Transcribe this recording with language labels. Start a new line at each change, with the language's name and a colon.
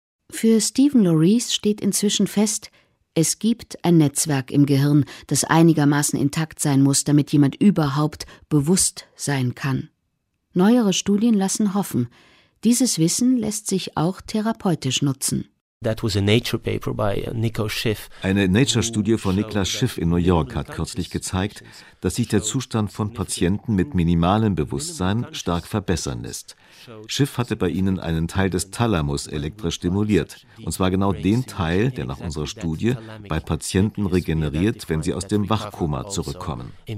German: Für Stephen Lorries steht inzwischen fest, es gibt ein Netzwerk im Gehirn, das einigermaßen intakt sein muss, damit jemand überhaupt bewusst sein kann. Neuere Studien lassen hoffen, dieses Wissen lässt sich auch therapeutisch nutzen.
English: That was a Nature paper by Nico Schiff.
German: Eine Nature-Studie von Niklas Schiff in New York hat kürzlich gezeigt, dass sich der Zustand von Patienten mit minimalem Bewusstsein stark verbessern lässt. Schiff hatte bei ihnen einen Teil des Thalamus elektrisch stimuliert, und zwar genau den Teil, der nach unserer Studie bei Patienten regeneriert, wenn sie aus dem Wachkoma zurückkommen.